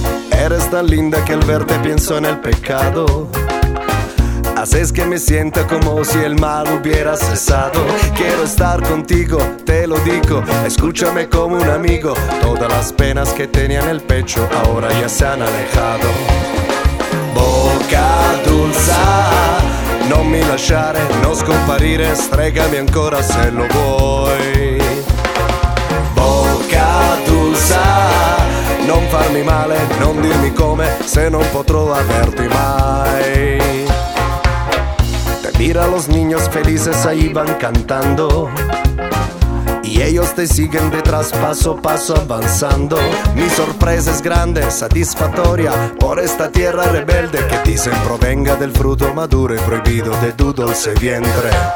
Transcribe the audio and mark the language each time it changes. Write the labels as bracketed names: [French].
[Spanish] Eres tan linda que al verte pienso en el pecado. Haces que me sienta como si el mal hubiera cesado. Quiero estar contigo, te lo digo, escúchame como un amigo. Todas las penas que tenía en el pecho ahora ya se han alejado. [Italian] Boca dulce, non mi lasciare, non scomparire, stregami ancora se lo vuoi. Bocca dulce, non farmi male, non dirmi come, se non potrò averti mai. [Spanish] Te mira los niños felices ahí van cantando. Y ellos te siguen detrás, paso a paso avanzando. Mi sorpresa es grande, satisfactoria, por esta tierra rebelde que dicen provenga del fruto maduro y prohibido de tu dulce vientre.